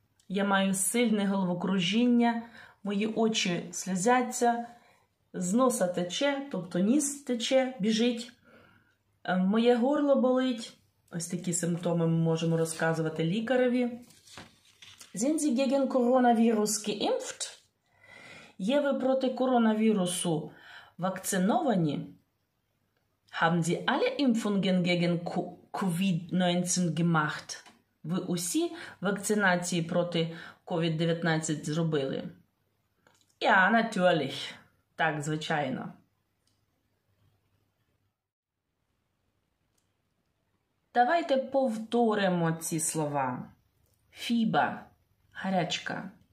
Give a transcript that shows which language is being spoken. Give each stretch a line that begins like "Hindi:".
Ukrainian: Я маю сильне головокружіння, мої очі сльозяться, з носа тече, тобто ніс тече, біжить, моє горло болить. Ось такі симптоми ми можемо розказувати лікареві.
German: Sind Sie gegen Coronavirus geimpft?
Ukrainian: Є ви проти коронавірусу вакциновані?
German: Haben Sie alle Impfungen gegen Covid-19 gemacht?
Ukrainian: Ви усі вакцинації проти COVID-19 зробили?
German: Ja, natürlich. Так, звичайно.
Ukrainian: Давайте повторимо ці слова. Fieber – гарячка.